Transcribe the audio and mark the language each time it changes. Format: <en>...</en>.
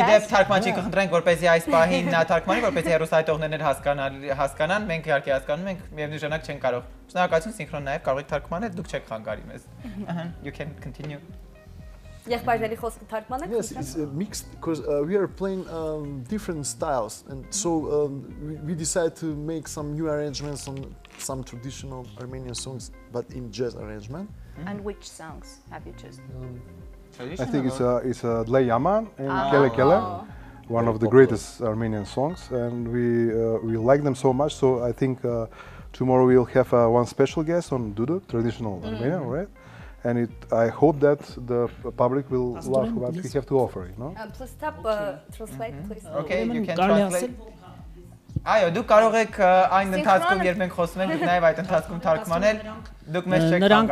<hy>Իդեպ թարգմանչի կընտրենք, որպեսզի այս պահին թարգմանի, որպեսզի հեռուստատողներն էլ հասկանան, մենք իհարկե հասկանում ենք, միևնույնժանակ չեն կարող։ Շնորհակալություն, սինխրոն նաև կարող եք թարգմանել, դուք չեք խանգարի մեզ։</hy> <en>You can continue. Yes, it's mixed because we are playing different styles, and so we decided to make some new arrangements on some traditional Armenian songs, but in jazz arrangement. Mm-hmm. And which songs have you chosen? I think it's Le Yaman and Kele Kele, one of the greatest Armenian songs, and we like them so much. So I think tomorrow we'll have one special guest on Dudu, traditional Armenian, right? And I hope that the public will love what we have to offer, you know? Please tap translate, please. Okay, you can translate.</en> <hy>Այո, դուք կարող եք այն ընթացքում, երբ մենք խոսում ենք, նաև այդ ընթացքում թարգմանել։ Դուք մեզ չեք</hy>